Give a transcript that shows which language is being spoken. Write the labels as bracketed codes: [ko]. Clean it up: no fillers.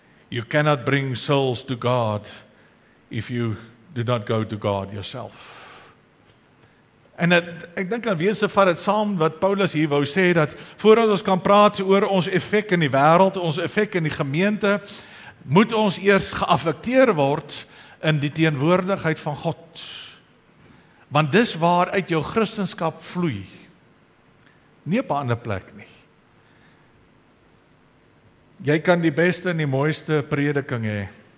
[en] You cannot bring souls to God if you do not go to God yourself. [af] En het, ek dink aan wese vat het saam wat Paulus hier wou sê, dat voordat ons kan praat oor ons effek in die wêreld, ons effek in die gemeente, moet ons eers geaffekteer word in die teenwoordigheid van God. Want dis waar uit jou Christenskap vloei. Nie op 'n ander plek nie. Jy kan die beste en die mooiste prediking hê.